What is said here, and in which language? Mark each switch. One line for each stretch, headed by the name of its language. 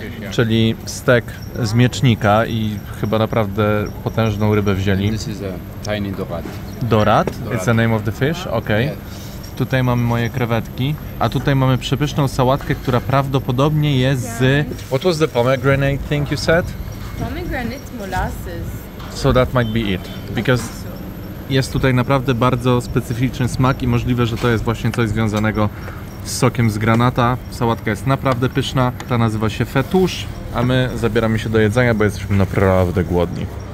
Polish: Czyli steak z miecznika i chyba naprawdę potężną rybę wzięli.
English: This is a tiny dorad. Dorad? It's the name of the fish? Okay.
Polish: Tutaj mamy moje krewetki, a tutaj mamy przepyszną sałatkę, która prawdopodobnie jest z...
English: What was the pomegranate thing you said? Pomegranate molasses. So that might be it, because
Polish: jest tutaj naprawdę bardzo specyficzny smak i możliwe, że to jest właśnie coś związanego z sokiem z granata. Sałatka jest naprawdę pyszna, ta nazywa się fetusz, a my zabieramy się do jedzenia, bo jesteśmy naprawdę głodni.